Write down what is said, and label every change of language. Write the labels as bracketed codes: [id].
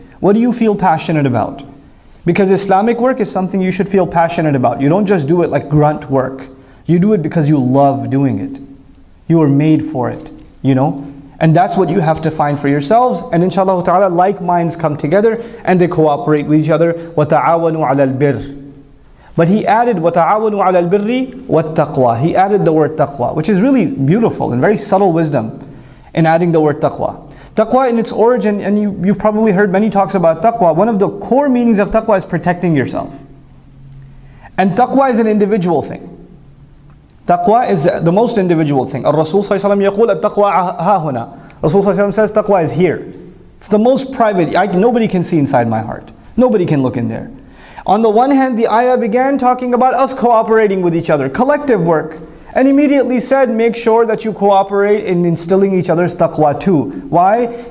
[en] What do you feel passionate about? Because Islamic work is something you should feel passionate about. You don't just do it like grunt work. You do it because you love doing it. You are made for it, And that's what you have to find for yourselves. And inshallah ta'ala, like minds come together and they cooperate with each other. [ar] وَتَعَوَنُوا عَلَى الْبِرِّ. [en] But he added, [ar] وَتَعَوَنُوا عَلَى الْبِرِّ وَالتَّقْوَى. [en] He added the word taqwa, which is really beautiful and very subtle wisdom in adding the word taqwa. Taqwa in its origin, and you've probably heard many talks about taqwa, one of the core meanings of taqwa is protecting yourself. And taqwa is an individual thing. Taqwa is the most individual thing. [ar] Rasul ﷺ يقول التقوى هاهنا. [en] Rasul ﷺ says taqwa is here. It's the most private. Nobody can see inside my heart. Nobody can look in there. On the one hand, the ayah began talking about us cooperating with each other, collective work. And immediately said, make sure that you cooperate in instilling each other's taqwa too. Why?